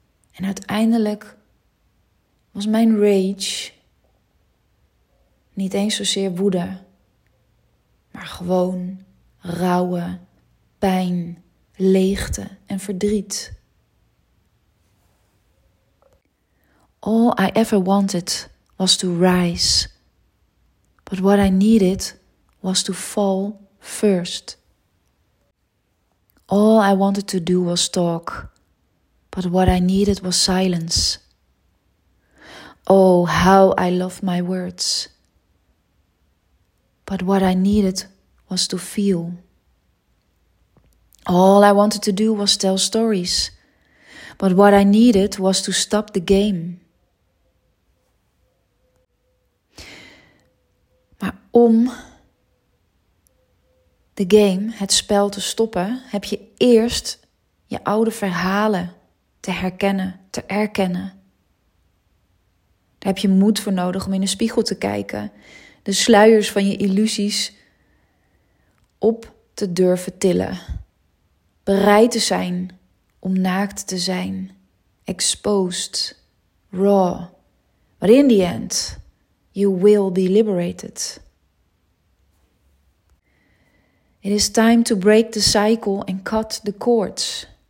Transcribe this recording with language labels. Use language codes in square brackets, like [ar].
[nl] En uiteindelijk was mijn rage niet eens zozeer woede, maar gewoon rauwe pijn, leegte en verdriet. [en] All I ever wanted was to rise, but what I needed was to fall first. All I wanted to do was talk, but what I needed was silence. Oh, how I love my words. But what I needed was to feel. All I wanted to do was tell stories. But what I needed was to stop the game. [nl] Maar om de game, het spel, te stoppen, heb je eerst je oude verhalen te herkennen, te erkennen. Daar heb je moed voor nodig om in de spiegel te kijken, de sluiers van je illusies op te durven tillen. Bereid te zijn om naakt te zijn. [en] Exposed. Raw. But in the end, you will be liberated. It is time to break the cycle and cut the cords.